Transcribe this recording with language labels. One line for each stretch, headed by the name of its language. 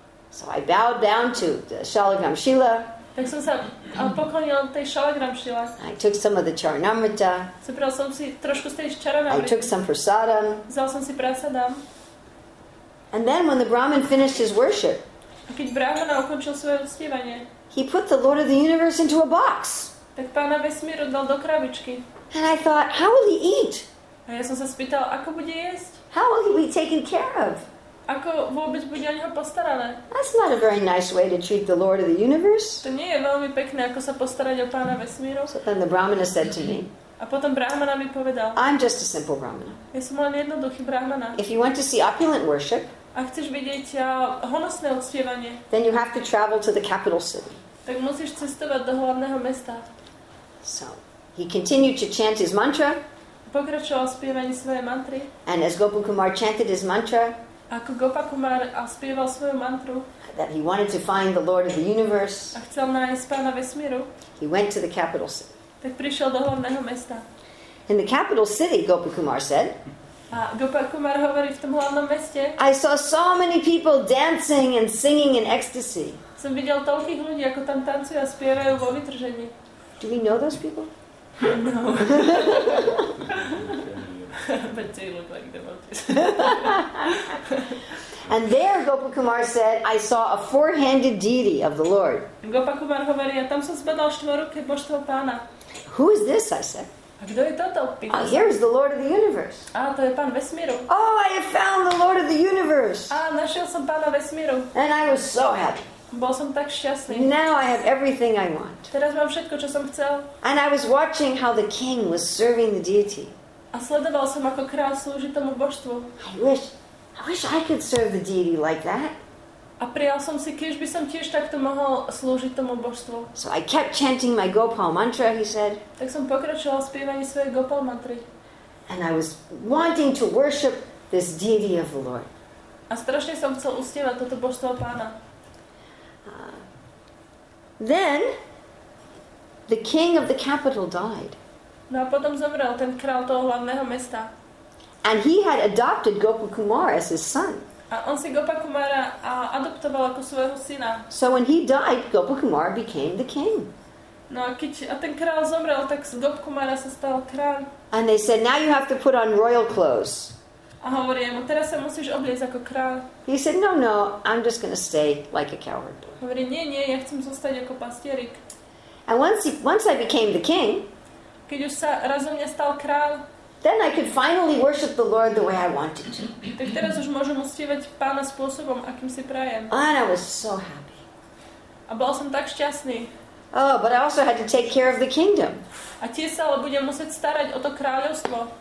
English: So I bowed down to the Shalagram Shila.
Slovak: Tak som sa poklonil tej Shalagram Shila.
English: I took some of the Charanamrita.
Slovak: Zobral som si trošku z tej Charanamrita.
English: I took some prasadam.
Slovak: Zal som si prasadam.
English: And then when the Brahmin finished his worship,
Slovak: a keď Brahmana ukončil svoje uctievanie,
English: he put the Lord of the universe into a box.
Slovak: Tak pána vesmíru dal do krabičky.
English: And I thought, how will he eat?
Slovak: A ja som sa spýtal, ako bude jesť?
English: How will he be taken care of?
Slovak: Ako vôbec bude o neho postarané?
English: That's not a very nice way to treat the Lord of the universe.
Slovak: To nie je veľmi pekné, ako sa postarať o pána vesmíru.
English: So then the Brahmana said to me,
Slovak: a potom Brahmana mi povedal,
English: I'm just a simple Brahmana.
Slovak: Ja som len jednoduchý Brahmana.
English: If you want to see opulent worship,
Slovak: a chceš vidieť honosné uctievanie,
English: then you have to travel to the capital city.
Slovak: Tak musíš cestovať do hlavného mesta.
English: So he continued to chant his mantra.
Slovak: Pokračoval spievaním svojej mantry.
English: And as Gopakumar chanted his mantra,
Slovak: ako Gopakumar spieval svoju mantru,
English: that he wanted to find the Lord of the universe,
Slovak: a chcel nájsť pána vesmíru,
English: he went to the capital city.
Slovak: Tak prišiel do hlavného mesta.
English: In the capital city, Gopakumar said,
Slovak: a Gopakumar hovorí, v tom hlavnom meste,
English: I saw so many people dancing and singing in ecstasy.
Slovak: Som videl toľkých ľudí, ako tam tancujú a spievajú vo vytržení.
English: Do we know those people? No. But they look like devotees. And there, Gopakumar said, I saw a four-handed deity of the Lord.
Slovak: Gopakumar hovorí, ja tam som zbadal štvoruké božstvo pána.
English: Who is this, I said.
Slovak: A kto je toto?
English: Oh, here is the Lord of the universe.
Slovak: Á, to je pán vesmíru.
English: Oh, I have found the Lord of the universe.
Slovak: Á, našiel som pána vesmíru.
English: And I was so happy.
Slovak: Bol som tak šťastný.
English: Now I have everything I want.
Slovak: Teraz mám všetko, čo som chcel.
English: And I was watching how the king was serving the deity.
Slovak: A sledoval som, ako kráľ slúži tomu božstvu.
English: I wish I could serve the deity like that.
Slovak: A prial som si, kiež by som tiež takto mohol slúžiť tomu božstvu.
English: So I kept chanting my Gopal mantra, he said.
Slovak: Tak som pokračoval spievaním svojej Gopal mantry.
English: And I was wanting to worship this deity of the Lord.
Slovak: A strašne som chcel uctievať toto božstvo pána.
English: Then the king of the capital died.
Slovak: No a potom zomrel ten král toho hlavného mesta.
English: And he had adopted Gopakumara as his son.
Slovak: A on si Gopakumara adoptoval ako svojho syna.
English: So when he died, Gopakumara became the king.
Slovak: No a keď a ten král zomrel, tak Gopakumara sa stal kráľ.
English: And they said, now you have to put on royal clothes.
Slovak: A hovorí mu, teraz sa musíš obliecť ako kráľ.
English: He said, no, no, I'm just going to stay like a coward.
Slovak: Hovorí, nie, nie, ja chcem zostať ako pastierik.
English: And once I became the king,
Slovak: keď už sa raz o mňa stal kráľ,
English: then I could finally worship the Lord the way I wanted to.
Slovak: Tak teraz už môžem uctievať Pána spôsobom, akým si prajem.
English: And I was so happy.
Slovak: A bol som tak šťastný.
English: Oh, but I also had to take care of the kingdom.
Slovak: A tiež sa ale budem musieť starať o to kráľovstvo.